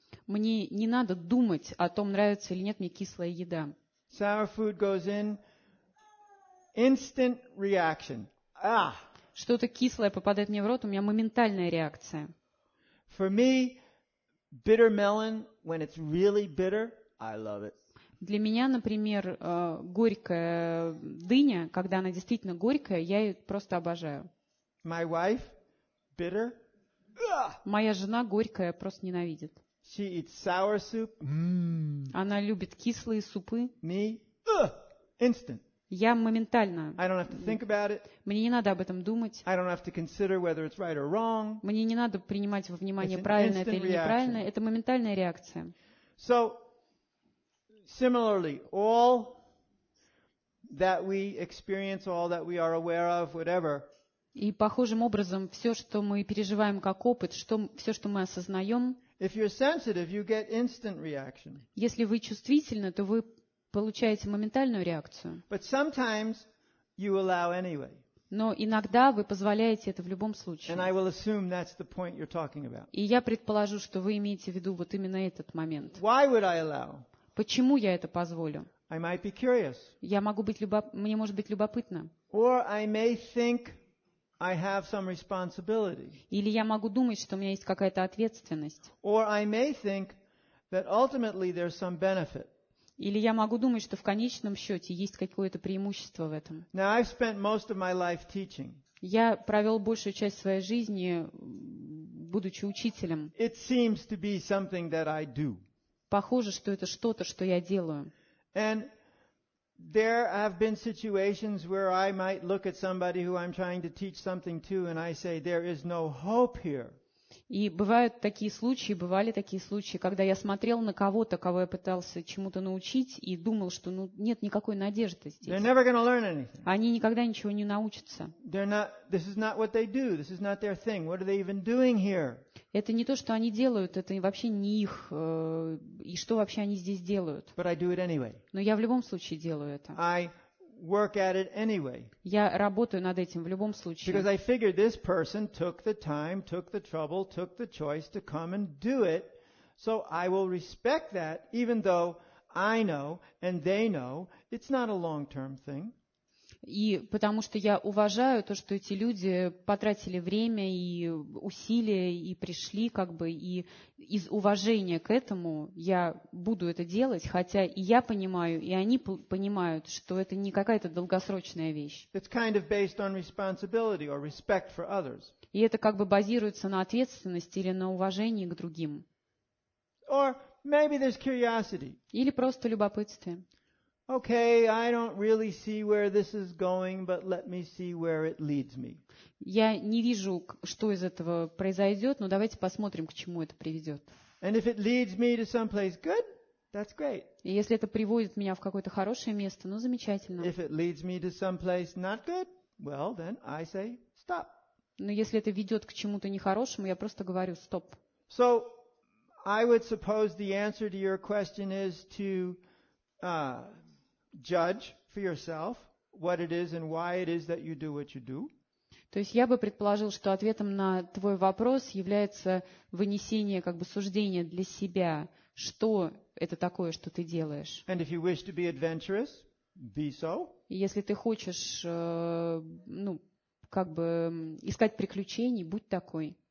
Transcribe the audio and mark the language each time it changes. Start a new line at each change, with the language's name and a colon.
Russian: Мне не надо думать о том, нравится или нет мне кислая еда.
English: Sour food goes in. Instant reaction. Ah.
Russian: Что-то кислое попадает мне в рот, у меня моментальная реакция.
English: For me, bitter melon, when it's really bitter, I love it.
Russian: Для меня, например, горькая дыня, когда она действительно горькая, я ее просто обожаю.
English: My wife, bitter.
Russian: Моя жена горькая, просто ненавидит.
English: She eats sour soup.
Russian: Она любит кислые супы.
English: Me, instant.
Russian: Я моментально.
English: I don't have to think about it.
Russian: Мне не надо об этом думать.
English: I don't have to consider whether it's right or wrong.
Russian: Мне не надо принимать во внимание, правильно это или неправильно. Это моментальная реакция.
English: So, similarly, all that we experience, all that we are aware of, whatever.
Russian: И похожим образом, все, что мы переживаем как опыт, все, что мы осознаем.
English: If you're sensitive, you get instant reaction.
Russian: Если вы чувствительны, то вы получаете моментальную реакцию.
English: But sometimes you allow anyway.
Russian: Но иногда вы позволяете это в любом случае.
English: And I will assume that's the point you're talking about.
Russian: И я предположу, что вы имеете в виду вот именно этот момент.
English: Why would I allow?
Russian: Почему я это позволю?
English: I might be curious.
Russian: Я могу быть мне может быть любопытно.
English: Or I may think I have some responsibility.
Russian: Или я могу думать, что у меня есть какая-то ответственность.
English: Or I may think that ultimately there's some benefit.
Russian: Или я могу думать, что в конечном счете есть какое-то преимущество в этом.
English: Now, I've spent most of my life teaching.
Russian: Я провел большую часть своей жизни, будучи учителем.
English: It seems to be something that I do.
Russian: Похоже, что это что-то, что я делаю.
English: And there have been situations where I might look at somebody who I'm trying to teach something to, and I say, there is no hope here.
Russian: И бывают такие случаи, бывали такие случаи, когда я смотрел на кого-то, кого я пытался чему-то научить, и думал, что нет никакой надежды здесь.
English: They're never gonna learn anything.
Russian: Они никогда ничего не научатся.
English: This is not what they do. This is not their thing. What are they even doing here?
Russian: Это не то, что они делают, это вообще не их. И что вообще они здесь делают?
English: But I do it anyway.
Russian: Но я в любом случае делаю это.
English: I work at it anyway.
Russian: Я работаю над этим в любом случае.
English: Because I figured this person took the time, took the trouble, took the choice to come and do it, so I will respect that, even though I know and they know it's not a long-term thing.
Russian: И потому что я уважаю то, что эти люди потратили время и усилия и пришли и из уважения к этому я буду это делать, хотя и я понимаю, и они понимают, что это не какая-то долгосрочная вещь.
English: It's kind of based on responsibility or respect for others.
Russian: И это базируется на ответственности или на уважении к другим.
English: Or maybe there's curiosity.
Russian: Или просто любопытство.
English: Okay, I don't really see where this is going, but let me see where it leads me.
Russian: Я не вижу, что из этого произойдет, но давайте посмотрим, к чему это приведет.
English: And if it leads me to someplace good, that's great.
Russian: И если это приводит меня в какое-то хорошее место, замечательно.
English: If it leads me to someplace not good, well, then I say stop.
Russian: Но если это ведет к чему-то нехорошему, я просто говорю стоп.
English: So, I would suppose the answer to your question is to judge for yourself what it is and why it is that you do what you do.
Russian: То есть я бы предположил, что ответом на твой вопрос является вынесение суждения для себя, что это такое, что ты делаешь.
English: And if you wish to be adventurous, be so.
Russian: Если ты хочешь, искать приключений, будь такой.